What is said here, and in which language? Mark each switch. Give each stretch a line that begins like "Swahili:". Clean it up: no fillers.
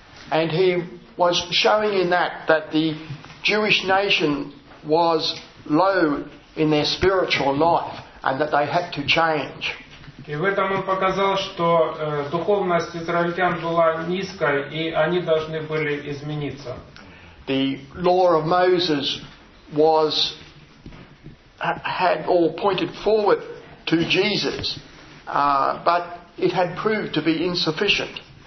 English: And he was showing in that the Jewish nation was low in their spiritual life and that they had to change.
Russian: И в этом он показал, что духовность израильтян была низкой, и они должны были измениться.
English: The law of Moses was had all pointed forward to Jesus, but it had proved to be insufficient.